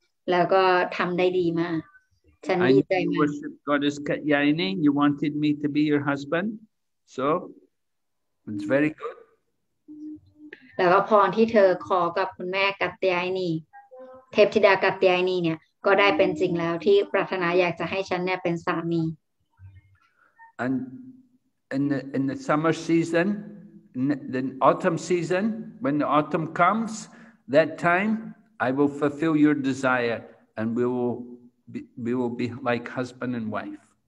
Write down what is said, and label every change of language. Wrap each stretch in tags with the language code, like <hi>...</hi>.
<th>แล้วก็ทำได้ดีมาก ฉันดีใจมาก</th> <en>You worship goddess Katyayini, you wanted me to be your husband, so it's very good.</en> <th>แล้วก็พรที่เธอขอกับคุณแม่กัตยายนีเทพธิดากัตยายนีเนี่ยก็ได้เป็นจริงแล้วที่ปรารถนาอยากจะให้ฉันเนี่ยเป็นสามี</th> <en>And in the summer season, in the autumn season, when the autumn comes, that time I will fulfill your desire, and we will be like husband and wife.</en>